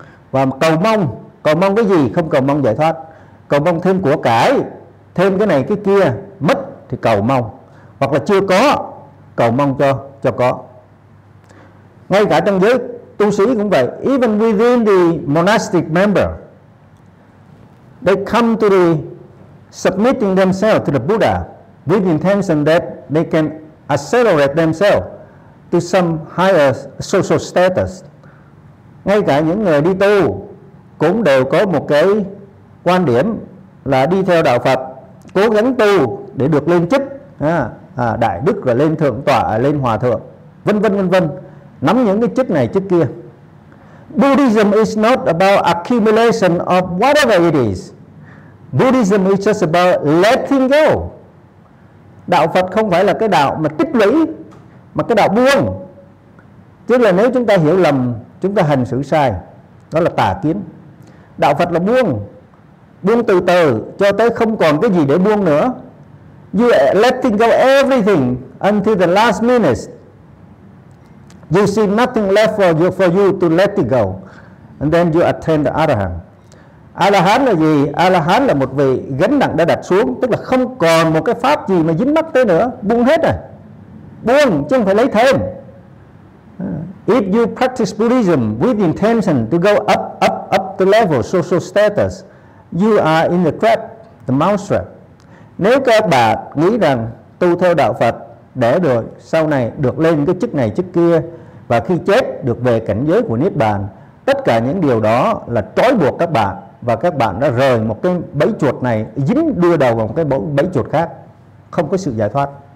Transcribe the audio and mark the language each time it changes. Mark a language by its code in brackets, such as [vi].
[vi] Và cầu mong cái gì? Không cầu mong giải thoát. Cầu mong thêm của cải, thêm cái này cái kia, mất thì cầu mong. Hoặc là chưa có, cầu mong cho có. Ngay cả trong giới tu sĩ cũng vậy. [en] Even within the monastic member, they come to the submitting themselves to the Buddha with intention that they can accelerate themselves to some higher social status. [vi] Ngay cả những người đi tu cũng đều có một cái quan điểm là đi theo đạo Phật, cố gắng tu để được lên chức đại đức, rồi lên thượng tọa, lên hòa thượng, vân vân vân vân, nắm những cái chức này chức kia. [en] Buddhism is not about accumulation of whatever it is. Buddhism is just about letting go. [vi] Đạo Phật không phải là cái đạo mà tích lũy, mà cái đạo buông. Chứ là nếu chúng ta hiểu lầm, chúng ta hành xử sai, đó là tà kiến. Đạo Phật là buông, buông từ từ cho tới không còn cái gì để buông nữa. [en] You letting go everything until the last minute. You see nothing left for you to let it go, and then you attain the Arahant. [vi] Arahant là gì? Arahant là một vị gánh nặng đã đặt xuống, tức là không còn một cái pháp gì mà dính mắc tới nữa, buông hết rồi. Buông chứ không phải lấy thêm. [en] If you practice Buddhism with intention to go up, up, up the level, social status, you are in the trap. the mousetrap. [vi] Nếu các bạn nghĩ rằng tu theo đạo Phật để rồi sau này được lên cái chức này chức kia và khi chết được về cảnh giới của Niết Bàn, tất cả những điều đó là trói buộc các bạn, và các bạn đã rời một cái bẫy chuột này, dính đưa đầu vào một cái bẫy chuột khác, không có sự giải thoát.